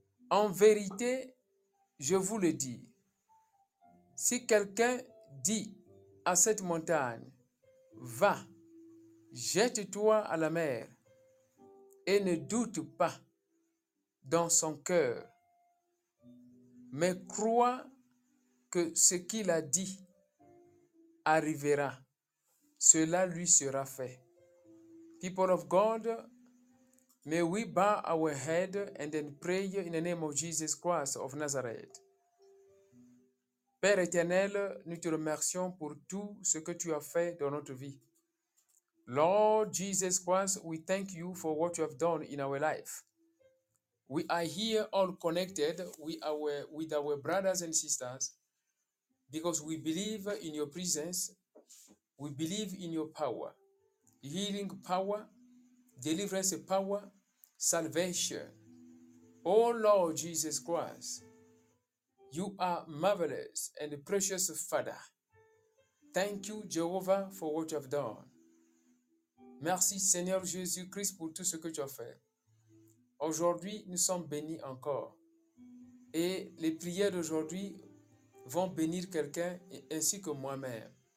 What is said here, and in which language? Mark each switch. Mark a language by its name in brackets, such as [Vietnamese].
[French] En vérité, je vous le dis, si quelqu'un dit à cette montagne, va, jette-toi à la mer, et ne doute pas dans son cœur, mais croit que ce qu'il a dit arrivera, cela lui sera fait. [English] People of God, may we bow our head and then pray in the name of Jesus Christ of Nazareth. [French] Père éternel, nous te remercions pour tout ce que tu as fait dans notre vie. [English] Lord Jesus Christ, we thank you for what you have done in our life. We are here all connected with our brothers and sisters because we believe in your presence. We believe in your power. Healing power, deliverance power, salvation. Oh Lord Jesus Christ, you are marvelous and precious Father. Thank you, Jehovah, for what you have done. [French] Merci, Seigneur Jésus-Christ, pour tout ce que tu as fait. Aujourd'hui, nous sommes bénis encore. Et les prières d'aujourd'hui vont bénir quelqu'un ainsi que moi-même.